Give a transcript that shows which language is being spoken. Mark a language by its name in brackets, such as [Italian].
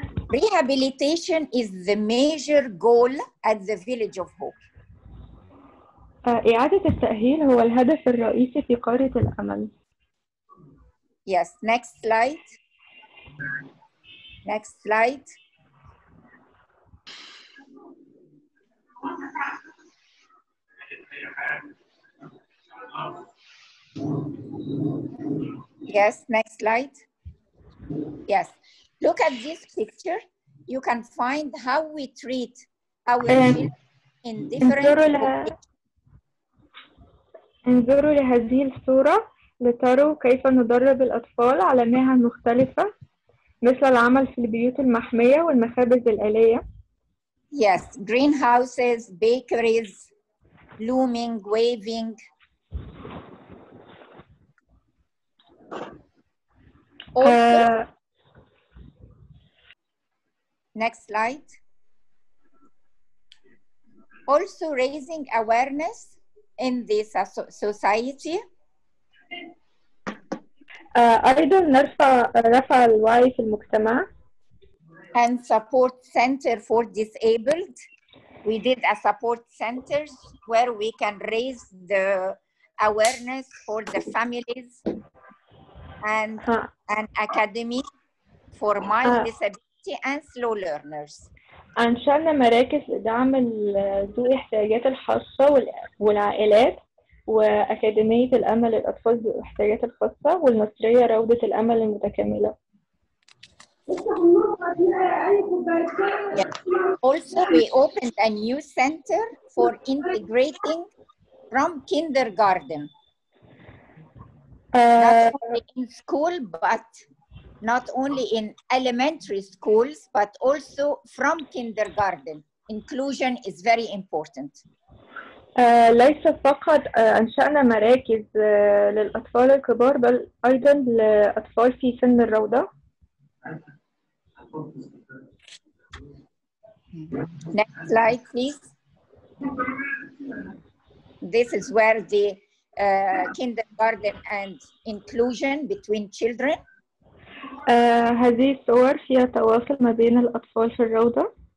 [English] Rehabilitation is the major goal at the Village of Hope. [Arabic] إعادة التأهيل هو الهدف الرئيسي في قرية الأمل. [English] Yes, next slide. Next slide. Yes, next slide. Yes. Look at this picture. You can find how we treat our in different. [Arabic] انظروا لهذه الصورة لتروا كيف ندرب الأطفال على مهن مختلفة مثل العمل في البيوت المحمية والمخابز الآلية. [English] Yes, greenhouses, bakeries, looming, weaving. Next slide. Also raising awareness in this society. [Arabic] أيضا رفع الوعي في المجتمع. [English] And support center for disabled. We did a support centers where we can raise the awareness for the families and an academy for mild disability. And slow learners. [Arabic] أنشأنا مراكز لدعم ذوي الاحتياجات الخاصة والعائلات وأكاديمية الأمل للأطفال ذوي الاحتياجات الخاصة والمصرية روضة الأمل المتكاملة. [English] Yeah. Also, we opened a new center for integrating from kindergarten. Not in school, but not only in elementary schools, but also from kindergarten. Inclusion is very important. [Arabic] ليس فقط أنشأنا مراكز للأطفال الكبار بل أيضا للأطفال في سن الروضة. [English] Next slide, please. This is where the kindergarten and inclusion between children. [Arabic] هذه الصور فيها تواصل ما بين الأطفال في الروضة.